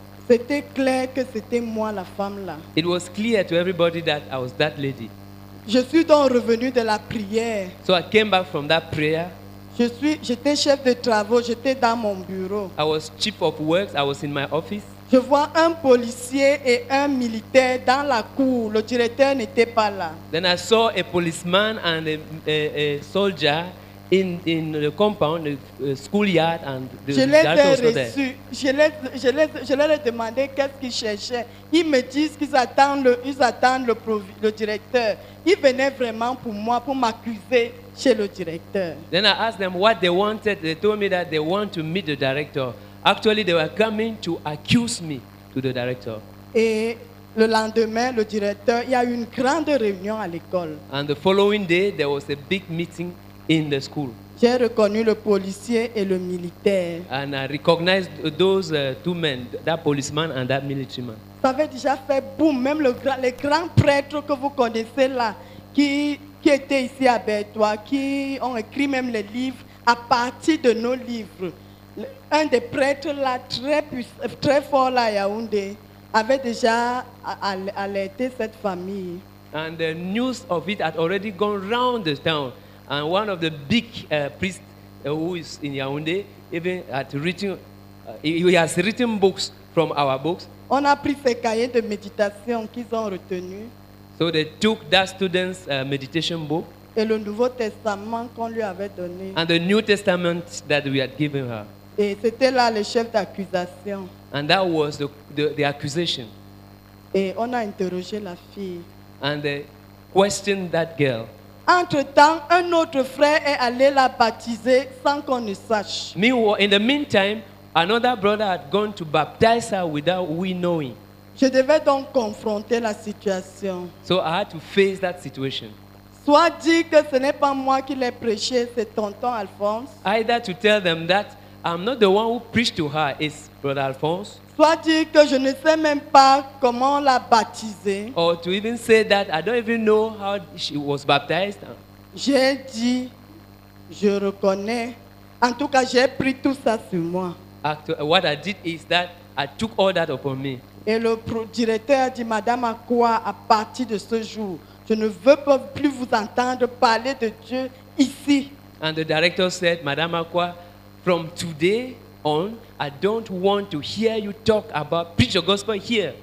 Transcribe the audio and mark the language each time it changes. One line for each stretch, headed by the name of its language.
French: C'était clair que c'était moi la femme là.
English: It was clear to everybody that I was that lady.
French: Je suis donc revenu de la prière.
English: So I came back from that prayer.
French: J'étais chef de travaux, j'étais dans mon bureau.
English: I was chief of works, I was in my office.
French: Je vois un policier et un militaire dans la cour. Le directeur n'était pas là.
English: Then I saw a policeman and a soldier in the compound, the schoolyard, and the guards were there.
French: Je les ai demandé qu'est-ce qu'ils cherchaient. Ils me disent qu'ils attendent le directeur. Ils venaient vraiment pour moi, pour m'accuser chez le directeur.
English: Then I asked them what they wanted. They told me that they want to meet the director. Actually, they were coming to accuse me to the director.
French: Et le lendemain, le directeur, il y a eu une grande réunion à l'école.
English: And the following day, there was a big meeting in the school.
French: J'ai reconnu le policier et le militaire.
English: And I recognized those two men, that policeman and that military man.
French: Ça avait déjà fait boum, même les grands prêtres que vous connaissez là, qui étaient ici à Bétois, qui ont écrit même les livres à partir de nos livres. Un des prêtres là, très fort là, Yaoundé, avait déjà alerté cette famille.
English: And the news of it had already gone round the town. And one of the big priests who is in Yaoundé even had written He has written books from our books.
French: On a pris ces cahiers de méditation qu'ils ont retenus.
English: So they took that student's meditation book.
French: Et le Nouveau Testament qu'on lui avait donné.
English: And the New Testament that we had given her.
French: Et c'était là le chef d'accusation.
English: And that was the accusation.
French: Et on a interrogé la fille.
English: And they questioned that girl.
French: Entre-temps, un autre frère est allé la baptiser sans qu'on ne sache.
English: Meanwhile, in the meantime, another brother had gone to baptize her without we knowing.
French: Je devais donc confronter la situation.
English: So I had to face that situation.
French: Soit dire que ce n'est pas moi qui l'ai prêché, c'est tonton Alphonse.
English: Either to tell them that I'm not the one who preached to her, it's brother Alphonse.
French: Soit dire que je ne sais même pas comment la baptiser.
English: Or to even say that I don't even know how she was baptized.
French: J'ai dit, je reconnais. En tout cas, j'ai pris tout ça sur moi.
English: What I did is that I took all that upon me.
French: Et le directeur a dit, Madame Akwa, à partir de ce jour, je ne veux pas plus vous entendre parler de Dieu ici.
English: And the director said, Madame Akwa, from today on, I don't want to hear you talk about preach your gospel here.